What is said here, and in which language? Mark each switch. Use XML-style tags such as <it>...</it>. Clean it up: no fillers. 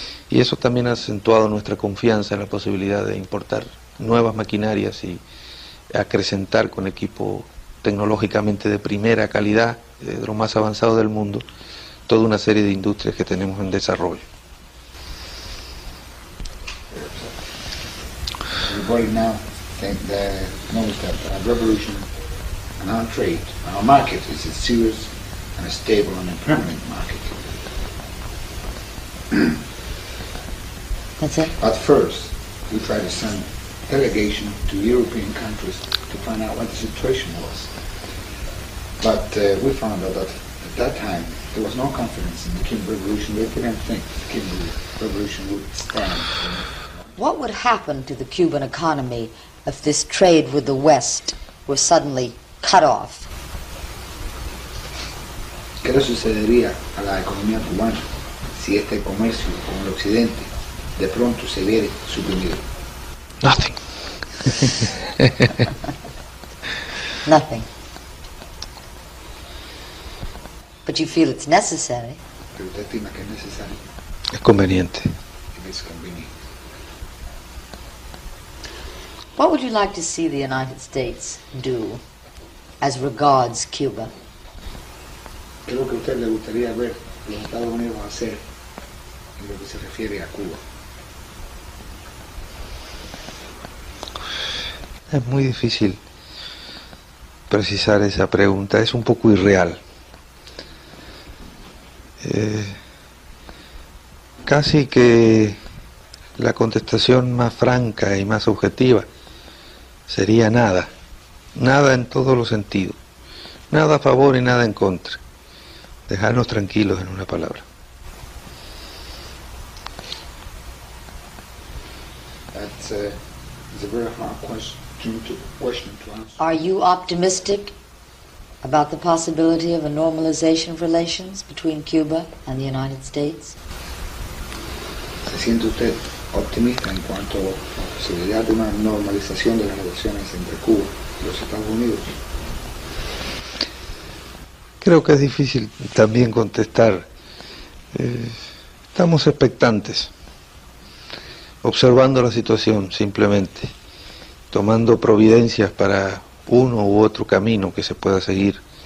<es>Y eso también ha acentuado nuestra confianza en la posibilidad de importar nuevas maquinarias y acrecentar con equipo tecnológicamente de primera calidad, de lo más avanzado del mundo, toda una serie de industrias que tenemos en desarrollo.</es> <en>Reporting now think the knows that a revolution and our trade and our market is a serious and a stable and a permanent market. That's it. But first we try to send delegation to European countries to find out what the situation was. But we found out that at that time there was no confidence in the Cuban Revolution. They didn't think the Cuban Revolution would stand. What would happen to the Cuban economy if this trade with the West were suddenly cut off?</en> <es>¿Qué le sucedería a la economía cubana si este comercio con el Occidente de pronto se viera suprimido?</es> <en>Nothing. Nothing. But you feel it's necessary.</en> <es>¿Pero usted estima que es necesario? Es conveniente.</es> <en>It's convenient. What would you like to see the United States do as regards Cuba?</en> <es>Creo que a usted le gustaría ver lo que Estados Unidos va a hacer en lo que se refiere a Cuba. Es muy difícil precisar esa pregunta, es un poco irreal. Casi que la contestación más franca y más objetiva sería nada, nada en todos los sentidos, nada a favor y nada en contra. Dejarnos tranquilos en una palabra.</es> <en>That's a very hard question to answer. Are you optimistic about the possibility of a normalization of relations between Cuba and the United States?</en> <es>¿Se siente usted optimista en cuanto a la posibilidad de una normalización de las relaciones entre Cuba y los Estados Unidos? Creo que es difícil también contestar. Estamos expectantes, observando la situación simplemente, tomando providencias para uno u otro camino que se pueda seguir.</es>